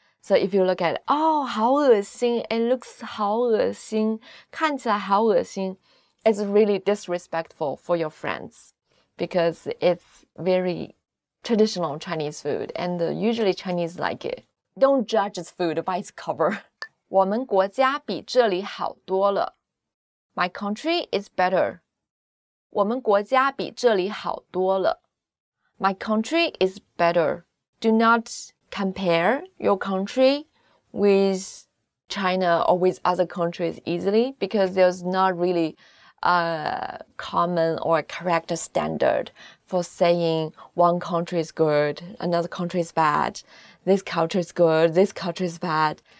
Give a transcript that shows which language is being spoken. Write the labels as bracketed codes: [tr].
[en] So if you look at it, oh, [zh] 好恶心, [en] it looks [zh] 好恶心, 看起来好恶心, [en] it's really disrespectful for your friends because it's very traditional Chinese food and usually Chinese like it. Don't judge this food by its cover. [zh] 我们国家比这里好多了. [en] My country is better. [zh] 我们国家比这里好多了. [en] My country is better. Do notCompare your country with China or with other countries easily because there's not really a common or a correct standard for saying one country is good, another country is bad, this culture is good, this culture is bad.